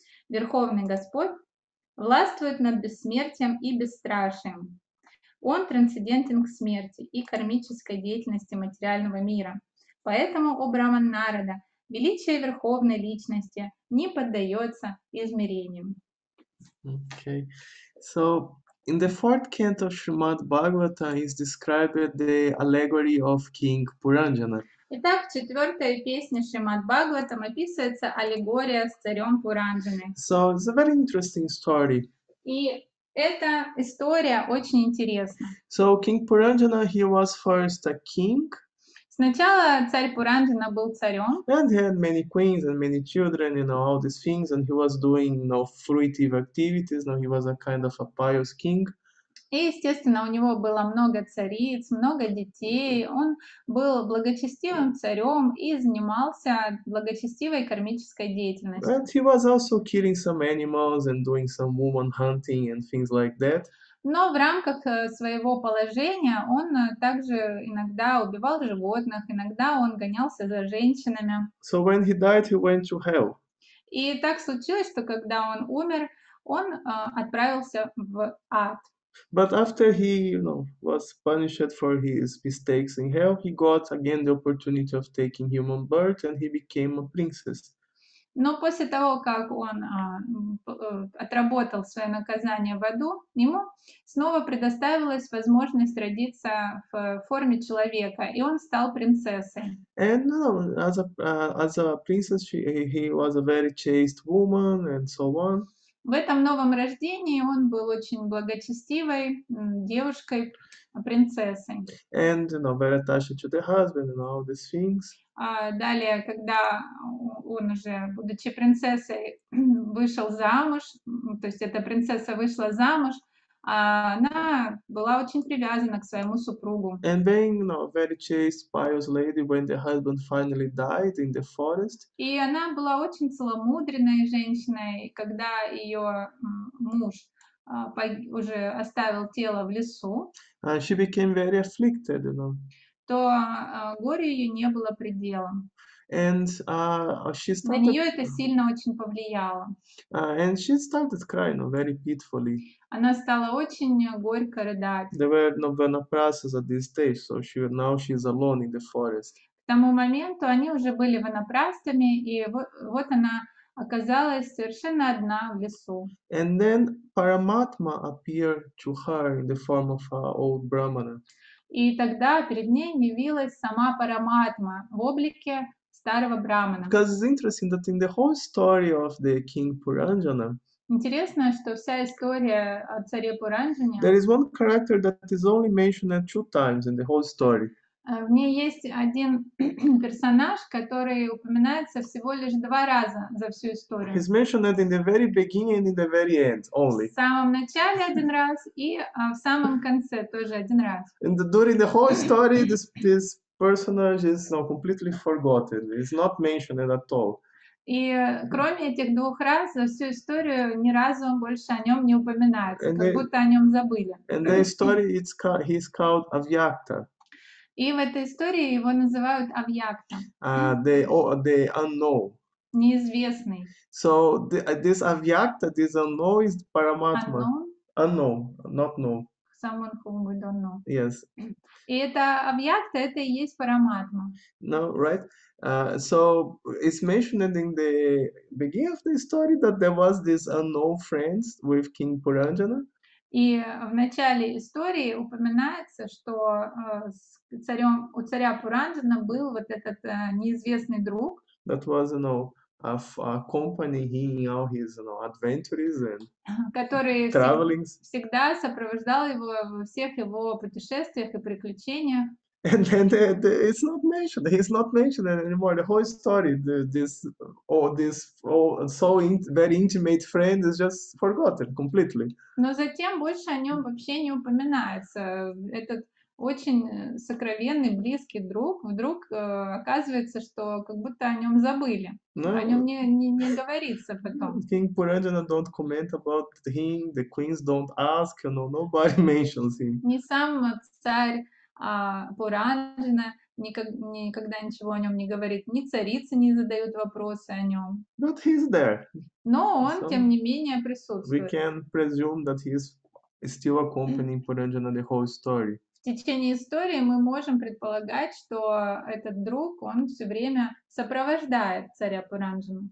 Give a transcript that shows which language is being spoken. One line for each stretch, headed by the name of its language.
Russian: Верховный Господь властвует над бессмертием и бесстрашием. Он трансцендентен к смерти и кармической деятельности материального мира. Поэтому, о Брахман Нарада, величие Верховной Личности не поддается измерениям.
English: Okay. So, in the fourth canto of Srimad Bhagavata is described the allegory of King Puranjana.
Russian: Итак, в четвертой песне Шримад Бхагаватам описывается аллегория с царем Пуранджаной.
English: So, it's a very interesting story.
Russian: И эта история очень интересна.
English: So, King Puranjana, he was first a king.
Russian: Сначала царь Пуранджана был царем.
English: And he had many queens and many children, you know, all these things, and he was doing, you know, fruitive activities, you know, he was a kind of a pious king.
Russian: И, естественно, у него было много цариц, много детей. Он был благочестивым царем и занимался благочестивой кармической деятельностью.
English: And he was also killing some animals and doing some woman hunting and things like that.
Russian: Но в рамках своего положения он также иногда убивал животных, иногда он гонялся за женщинами.
English: So when he died, he went to hell.
Russian: И так случилось, что когда он умер, он отправился в ад.
English: But after he, you know, was punished for his mistakes in hell, he got again the opportunity of taking human birth and he became a princess.
Russian: Но после того, как он отработал свое наказание в аду, ему снова предоставилась возможность родиться в форме человека, и он стал принцессой.
English: And you know, as a princess, he was a very chaste woman and so on.
Russian: В этом новом рождении он был очень благочестивой девушкой, принцессой.
English: And you know, very attached to the husband and all these things.
Russian: Далее, когда он уже, будучи принцессой, вышел замуж, то есть эта принцесса вышла замуж, она была очень привязана к своему супругу.
English: And being, you know, a very chaste, pious lady, when the husband finally died in the forest.
Russian: И она была очень целомудренной женщиной, когда ее муж уже оставил тело в лесу.
English: She became very afflicted, you know.
Russian: То горе ее не было предела.
English: And she started.
Russian: На нее это сильно очень повлияло.
English: And she started crying, very pitifully.
Russian: Она стала очень горько рыдать.
English: There were no vanaprasas at this stage, so she now she is alone in the forest.
Russian: К тому моменту они уже были ванапрастами, и вот она оказалась совершенно одна в лесу.
English: And then Paramatma appeared to her in the form of an old brahmana.
Russian: И тогда перед ней явилась сама Параматма в облике старого брахмана.
English: Because it's interesting that in the whole story of the king Puranjana,
Russian: интересно, что вся история о царе Пуранджане,
English: there is one character that is only mentioned two times in the whole story.
Russian: В ней есть один персонаж, который упоминается всего лишь два раза за всю историю.
English: He's mentioned in the very beginning and in the very end only.
Russian: В самом начале один раз и в самом конце тоже один раз.
English: And during the whole story, this personage is now completely forgotten. It's not mentioned at all.
Russian: И кроме этих двух раз за всю историю ни разу больше о нем не упоминается,
English: and
Russian: как
English: they,
Russian: будто о нем забыли.
English: In the story, he's called Avyakta.
Russian: И в этой истории его называют Авьякта.
English: The unknown.
Russian: Неизвестный.
English: So this Авьякта, this unknown is Paramatma. Unknown? Unknown, not known. Someone whom we don't know. Yes.
Russian: И это Авьякта, это и есть Параматма.
English: No, right? So it's mentioned in the beginning of the story that there was this unknown friends with King Puranjana.
Russian: И в начале истории упоминается, что у царя Пуранджана был вот этот неизвестный друг.
English: That was, you know, accompanying him in all his, you know, adventures and
Russian: который
English: travelings.
Russian: Всегда сопровождал его во всех его путешествиях и приключениях.
English: And then it's not mentioned. He's not mentioned anymore. The whole story, very intimate friend is just forgotten completely.
Russian: Но затем больше о нем вообще не упоминается. Этот очень сокровенный близкий друг вдруг оказывается, что как будто о нем забыли.
English: No.
Russian: О нем не говорится потом.
English: King Puranjana don't comment about him. The queens don't ask. You know, nobody mentions him.
Russian: Не сам царь Пуранджана никогда ничего о нем не говорит, ни царицы не задают вопросы о нем.
English: But he's there.
Russian: Но он,
English: so,
Russian: тем не менее, присутствует.
English: We can presume that he's still accompanying Puranjana the whole story.
Russian: В течение истории мы можем предполагать, что этот друг, он все время сопровождает царя Пуранджана.